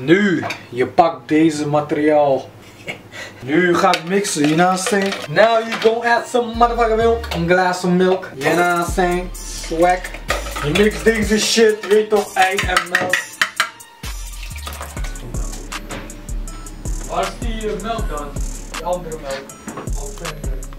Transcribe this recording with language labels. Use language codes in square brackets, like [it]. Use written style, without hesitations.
[nl] Nu, je pakt deze materiaal. Nu ga ik mixen, [en] you know what I'm saying? Now you go add some motherfucking milk. [nl] Een glas [en] of milk, you know what I'm saying? Swag. [nl] Je mix deze shit, weet toch, ei en melk. Waar is die melk dan? De andere melk. Al verder.